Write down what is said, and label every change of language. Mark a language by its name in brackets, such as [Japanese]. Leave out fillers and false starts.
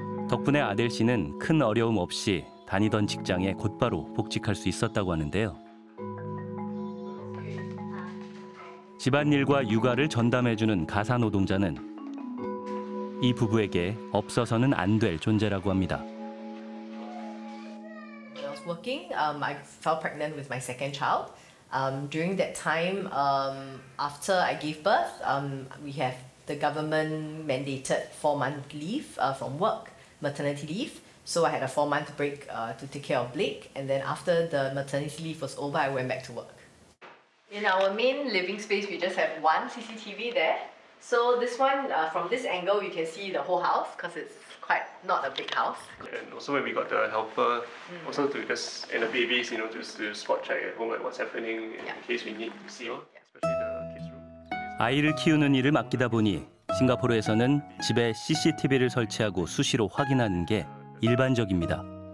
[Korean] 덕분에 아델 씨는 큰 어려움 없이 다니던 직장에 곧바로 복직할 수 있었다고 하는데요. 집안일과 육아를 전담해주는 가사 노동자는 이 부부에게 없어서는 안 될 존재라고 합니다. [English] Working, I fell pregnant with my second child. During that time, after I gave birth, we have the government mandated 4-month leave from work, maternity leave. So I had a 4-month break to take care of Blake, and then after the maternity leave was over, I went back to work. In our main living space, we just have one CCTV there. So this one, from this angle, you can see the whole house because it's quite not a big house. And also when we got the helper, also to just, and the babies, you know, to spot check at home, like what's happening in case we need to see, especially the kids room. [Korean] 아이를 키우는 일을 맡기다 보니 싱가포르에서는 집에 CCTV를 설치하고 수시로 확인하는 게 일반적입니다.